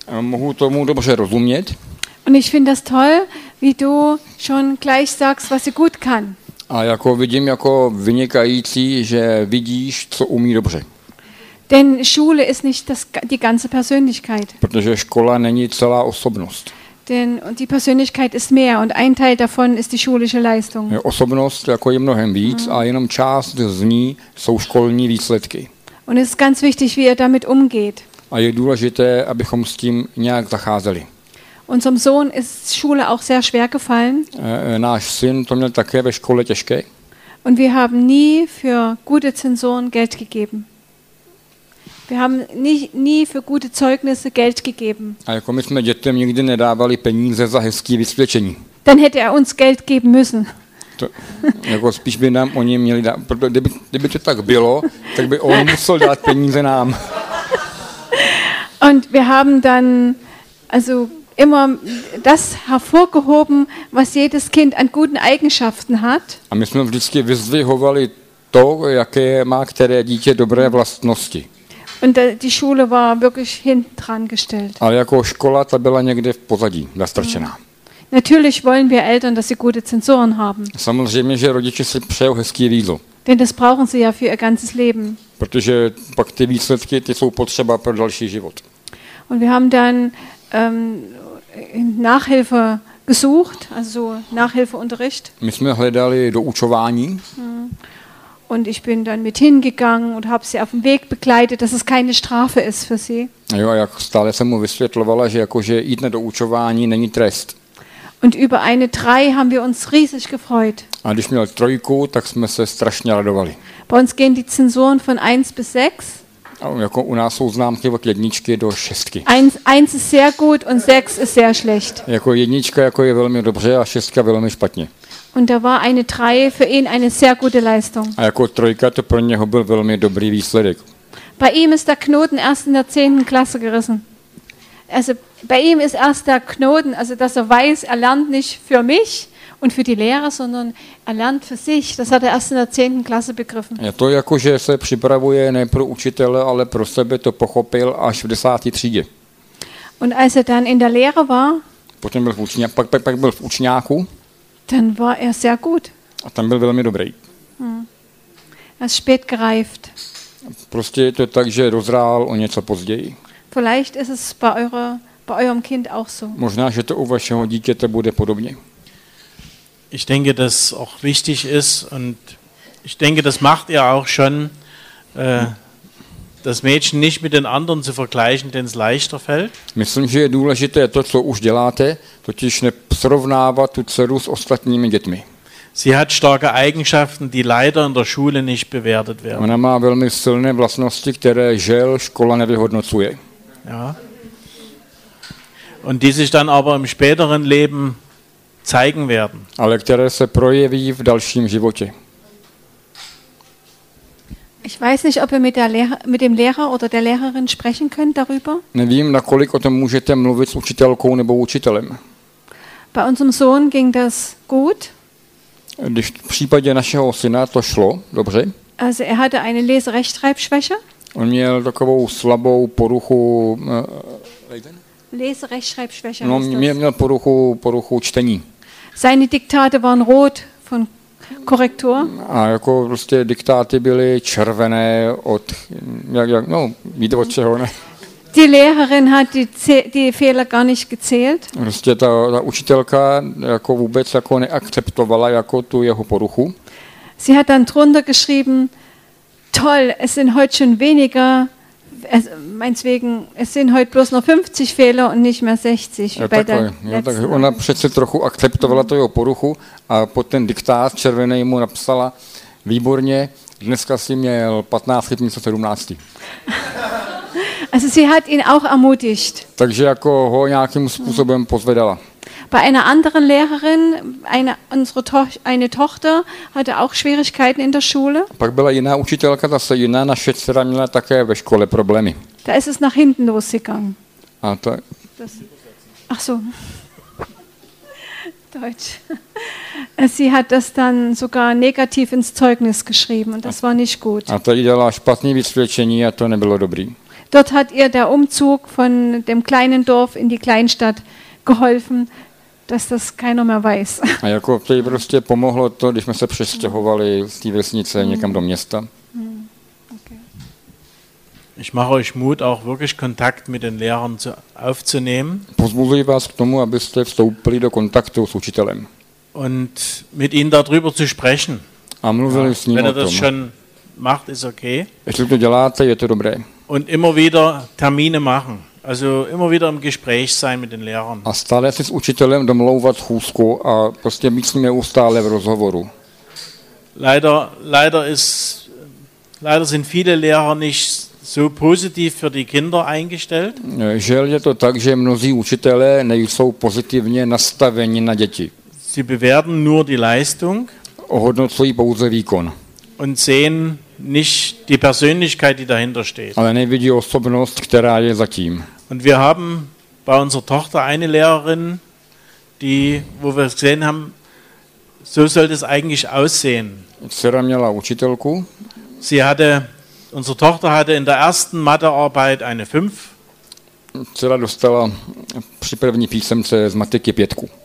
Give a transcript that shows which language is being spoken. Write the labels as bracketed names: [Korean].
[Czech] Mohu tomu dobře rozumět. [German] Und ich finde das toll, wie du schon gleich sagst, was sie gut kann. [Czech] A jako vidím jako vynikající, že vidíš, co umí dobře. [German] Denn Schule ist nicht die ganze Persönlichkeit. [Czech] Protože škola není celá osobnost. [German] Denn die Persönlichkeit ist mehr und ein Teil davon ist die schulische Leistung. [Czech] Osobnost jako je mnohem víc a jenom část z ní jsou školní výsledky. [German] Und es ist ganz wichtig, wie er damit umgeht. [Czech] A je důležité, abychom s tím nějak zacházeli. [German] Unserem Sohn ist Schule auch sehr schwer gefallen. [Czech] Náš syn to měl také ve škole těžké. [German] Und wir haben nie für gute Zensuren Geld gegeben. Wir haben nie für gute Zeugnisse Geld gegeben. [Czech] A jako my jsme dětem nikdy nedávali peníze za hezký vysvědčení. [German] Dann hätte er uns Geld geben müssen. [Czech] To, jako spíš by nám oni měli dát, protože kdyby to tak bylo, tak by on musel dát peníze nám. [German] Und wir haben dann also immer das hervorgehoben, was jedes Kind an guten Eigenschaften hat. [Czech] A my jsme vždycky vyzdvihovali to, jaké má které dítě dobré vlastnosti. [German] Und die Schule war wirklich hinten dran gestellt. [Czech] Ale jako škola, ta byla někde v pozadí, zastrčená. [German] Natürlich wollen wir Eltern, dass sie gute Zensuren haben. [Czech] Samozřejmě, že rodiče si přejou hezký rýzl. [German] Denn das brauchen sie ja für ihr ganzes Leben. [Czech] Protože pak ty výsledky, ty jsou potřeba pro další život. [German] Und wir haben dann Nachhilfe gesucht, also Nachhilfeunterricht. [Czech] My jsme hledali doučování. [German] Und ich bin dann mit hingegangen und habe sie auf dem Weg begleitet, dass es keine Strafe ist für sie. [Czech] Jo, jak stále jsem mu vysvětlovala, že jakože jít na doučování není trest. [German] Und über eine 3 haben wir uns riesig gefreut. [Czech] A když měl 3, tak jsme se strašně radovali. [German] Bei uns gehen die Zensuren von 1 bis 6. [Czech] Jako u nás jsou známky od 1 do 6. [German] 1 ist sehr gut und 6 ist sehr schlecht. [Czech] Jako jednička jako je velmi dobře a 6 velmi špatně. [German] Und da war eine 3 für ihn eine sehr gute Leistung. [Czech] A jako 3 to pro něho byl velmi dobrý výsledek. [German] Bei ihm ist der Knoten erst in der 10. Klasse gerissen. Also bei ihm ist erst der Knoten, also dass er weiß, er lernt nicht für mich und für die Lehrer, sondern er lernt für sich. Das hat er erst in der 10. Klasse begriffen. [Czech] Je to jako, že se připravuje ne pro učitele, ale pro sebe to pochopil až v 10. třídě. [German] Und als er dann in der Lehre war, [Czech] Potom byl v učňa, pak byl v učňáku. [German] Ten war er sehr gut. [Czech] A ten byl velmi dobrý. [German] Er ist spät gereift. [Czech] Prostě je to tak, že rozrál o něco později. [German] Vielleicht ist es bei eurer bei eurem Kind auch so. [Czech] Možná že to u vašeho dítěte bude podobně. [German] Ich denke, dass auch wichtig ist und ich denke, das macht ihr auch schon das Mädchen nicht mit den anderen zu vergleichen, denn es leichter fällt. [Czech] Myslím, že je důležité to, co už děláte, totiž nesrovnávat tu dceru s ostatními dětmi. [German] Sie hat starke Eigenschaften, die leider in der Schule nicht bewertet werden. Ona má velmi silné vlastnosti, které žel škola nevyhodnocuje. Ja. Und die sich dann aber im späteren Leben zeigen werden. [Czech] Ale které se projeví v dalším životě. [German] Ich weiß nicht, ob ihr mit der mit dem Lehrer oder der Lehrerin sprechen könnt darüber. [Czech] Nevím, nakolik o tom můžete mluvit s učitelkou nebo učitelem. [German] Bei unserem Sohn ging das gut. [Czech] Když v případě našeho syna to šlo dobře. [German] Also er hatte eine Lese-Rechtschreib-Schwäche. [Czech] On měl takovou slabou poruchu. [German] Lese-Rechtschreib-Schwäche. [Czech] No, měl poruchu čtení. [German] Seine Diktate waren rot von Korrektur. [Czech] A jako prostě diktáty byly červené od jak no, víte od čeho, ne? [German] Die Lehrerin hat die Fehler gar nicht gezählt. [Czech] Prostě ta učitelka jako vůbec jako neakceptovala jako tu jeho poruchu. [German] Sie hat dann drunter geschrieben: "Toll, es sind heute schon weniger, meinetwegen, es sind heute bloß noch 50 Fehler und nicht mehr 60." [Czech] Ja, tak ona přece trochu akceptovala to jeho poruchu a pod ten diktát červený mu napsala: "Výborně, dneska si měl 15 chyb, místo 17." [German] Also sie hat ihn auch ermutigt. [Czech] Takže jako ho nějakým způsobem pozvedala. [German] Bei einer anderen Lehrerin, eine Tochter hatte auch Schwierigkeiten in der Schule. [Czech] Pak byla jiná učitelka, zase jiná naše dcera měla také ve škole problémy. [German] Da ist es nach hinten losgegangen. [Czech] A to. [German] Ach so. Deutsch. Sie hat das dann sogar negativ ins Zeugnis geschrieben und das war nicht gut. [Czech] A to jí dala špatný vysvědčení a to nebylo dobrý. [German] Dort hat ihr der Umzug von dem kleinen Dorf in die Kleinstadt geholfen, dass das keiner mehr weiß. [Czech] A jako to jí prostě pomohlo to, když jsme se přestěhovali z té vesnice někam do města. Okay. [German] Ich mache euch Mut, auch wirklich Kontakt mit den Lehrern aufzunehmen. [Czech] Pozbuzuji vás k tomu, abyste vstoupili do kontaktu s učitelem. [German] Und mit ihnen darüber zu sprechen. [Czech] A mluvili s ním [German] wenn [Czech] o tom. [German] Wenn er das schon macht, ist okay. [Czech] Jestli to děláte, je to dobré. [German] Und immer wieder Termine machen, also immer wieder im Gespräch sein mit den Lehrern. [Czech] A stále si s učitelem domlouvat schůzku a prostě mít s ním neustále v rozhovoru. [German] Leider sind viele Lehrer nicht so positiv für die Kinder eingestellt. [Czech] Žel je to tak, že mnozí učitelé nejsou pozitivně nastaveni na děti. [German] Sie bewerten nur die Leistung. [Czech] Ohodnocují pouze výkon. [German] Und sehen nicht die Persönlichkeit, die dahinter steht. [Czech] Ale nevidí osobnost, která je za tím. [German] Und wir haben bei unserer Tochter eine Lehrerin, die, wo wir gesehen haben, so sollte es eigentlich aussehen. [Czech] Dcera měla učitelku. [German] Sie hatte, unsere Tochter hatte in der ersten Mathearbeit eine 5. [Czech] Dcera dostala při první písemce z matiky 5.